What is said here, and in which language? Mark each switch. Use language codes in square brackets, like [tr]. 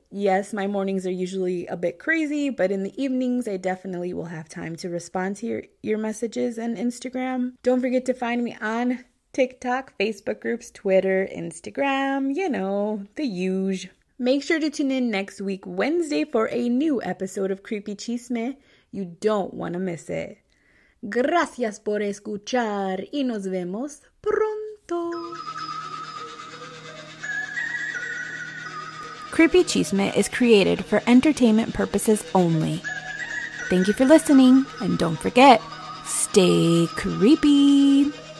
[en] Yes, my mornings are usually a bit crazy, but in the evenings, I definitely will have time to respond to your messages on Instagram. Don't forget to find me on TikTok, Facebook groups, Twitter, Instagram, you know, the huge. Make sure to tune in next week, Wednesday, for a new episode of Creepy Chisme. You don't want to miss it. [es] Gracias por escuchar y nos vemos pronto. [en] Creepy Chisme is created for entertainment purposes only. Thank you for listening, and don't forget, stay creepy.